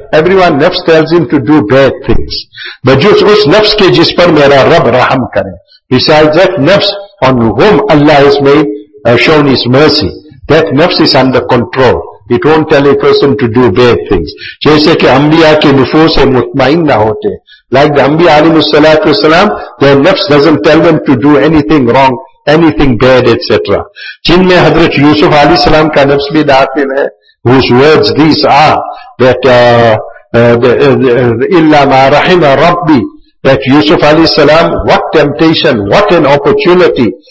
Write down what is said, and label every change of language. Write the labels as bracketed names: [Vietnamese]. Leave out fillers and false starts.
[English] Everyone nafs tells him to do bad things. But just [Urdu] اس نفس کے جس پر میرا رب رحم کرے. [English] Besides that, nafs on whom Allah has made shown his mercy, that nafs is under control. It won't tell a person to do bad things. [Urdu] جیسے کہ انبیاء کے نفوس مطمئن نہ ہوتے. [English] Like the Anbiya alayhi salatu wasalam, their nafs doesn't tell them to do anything wrong, anything bad, etc. [Urdu] Jin mein Hazrat Yusuf alayhi salam ka nafs bhi daakhil hai, [English] whose words these are, that [Arabic] illa ma rahima rabbi, [English] that Yusuf alayhi salam, what temptation, what an opportunity.